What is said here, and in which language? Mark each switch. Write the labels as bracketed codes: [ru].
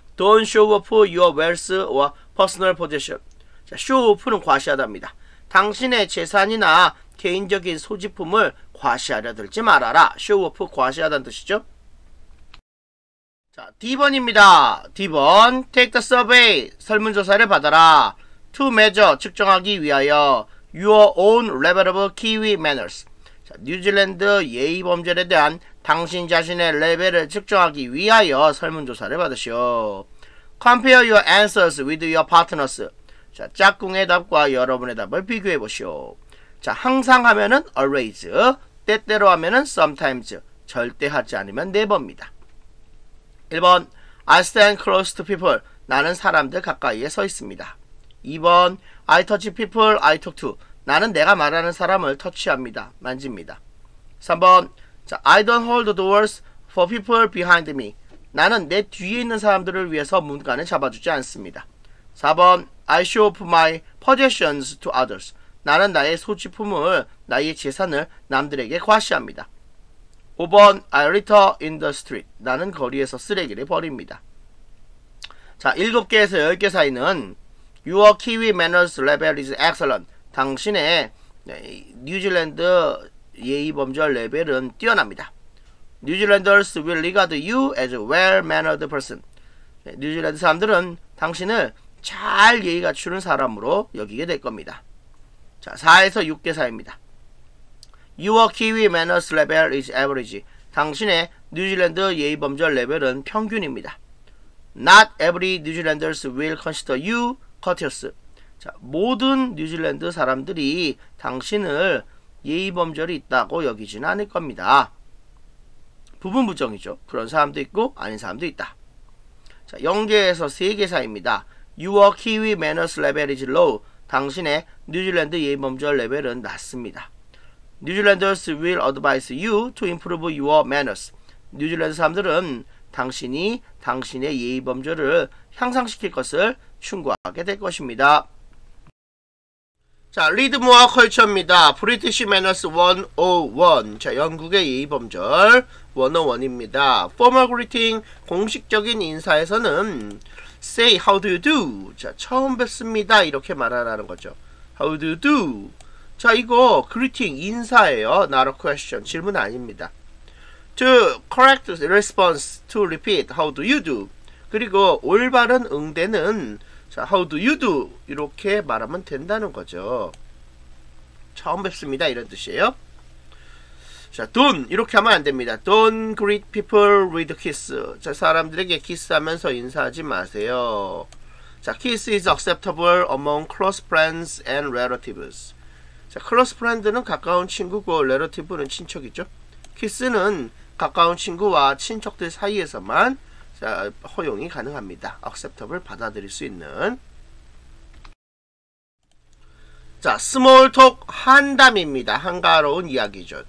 [en] Don't show off your wealth or personal possession. [ko] 자, show off는 과시하답니다. 당신의 재산이나 개인적인 소지품을 과시하려 들지 말아라. show off 과시하다는 뜻이죠. 자, D번입니다. D번. [en] Take the survey. [ko] 설문조사를 받아라. [en] To measure. [ko] 측정하기 위하여. [en] Your own reputable Kiwi manners. [ko] 자, 뉴질랜드 예의 범죄에 대한 당신 자신의 레벨을 측정하기 위하여 설문조사를 받으시오. [en] Compare your answers with your partners. [ko] 자, 짝꿍의 답과 여러분의 답을 비교해 보시오. 자, 항상 하면은 always, 때때로 하면은 sometimes, 절대 하지 않으면 never입니다. [en] 1번, I stand close to people. [ko] 나는 사람들 가까이에 서 있습니다. [en] 2번, I touch people I talk to. [ko] 나는 내가 말하는 사람을 터치합니다. 만집니다. [en] 3번, I don't hold the doors for people behind me. [ko] 나는 내 뒤에 있는 사람들을 위해서 문간을 잡아주지 않습니다. [en] 4번, I show off my possessions to others. [ko] 나는 나의 소지품을, 나의 재산을 남들에게 과시합니다. [en] 5번, I litter in the street. [ko] 나는 거리에서 쓰레기를 버립니다. [en] 자, [ko] 7개에서 10개 사이는 [en] Your Kiwi manners level is excellent. [ko] 당신의 뉴질랜드 예의범죄 레벨은 뛰어납니다. [en] Newzealanders will regard you as a well-mannered person. [ko] 뉴질랜드 사람들은 당신을 잘 예의 갖추는 사람으로 여기게 될 겁니다. [en] 자, [ko] 4에서 6개 사이입니다. [en] Your Kiwi manners level is average. [ko] 당신의 뉴질랜드 예의범죄 레벨은 평균입니다. [en] Not every Newzealanders will consider you courteous. [ko] 자, 모든 뉴질랜드 사람들이 당신을 예의범절이 있다고 여기지는 않을 겁니다. 부분부정이죠. 그런 사람도 있고 아닌 사람도 있다. 자, 0개에서 3개 사이입니다. [en] Your Kiwi manners level is low. [ko] 당신의 뉴질랜드 예의범절 레벨은 낮습니다. [en] Newzealanders will advise you to improve your manners. [ko] 뉴질랜드 사람들은 당신이 당신의 예의범절을 향상시킬 것을 충고하게 될 것입니다. 자, 리드모어 컬처입니다. [en] British Manners 101. [ko] 자, 영국의 예의범절 101입니다. [en] Formal greeting, [ko] 공식적인 인사에서는 [en] Say, how do you do? [ko] 자, 처음 뵙습니다. 이렇게 말하라는 거죠. [en] How do you do? [ko] 자, 이거 greeting, 인사예요. [en] Not a question, [ko] 질문 아닙니다. [en] To correct response, to repeat, how do you do? [ko] 그리고 올바른 응대는 자, [en] how do you do? [ko] 이렇게 말하면 된다는 거죠. 처음 뵙습니다. 이런 뜻이에요. 자, don't. 이렇게 하면 안 됩니다. [en] Don't greet people with kiss. [ko] 자, 사람들에게 키스하면서 인사하지 마세요. [en] 자, kiss is acceptable among close friends and relatives. [ko] 자, close friend는 가까운 친구고, relative는 친척이죠. 키스는 가까운 친구와 친척들 사이에서만 자, 허용이 가능합니다. acceptable 받아들일 수 있는. 자, small talk 한담입니다. 한가로운 이야기죠.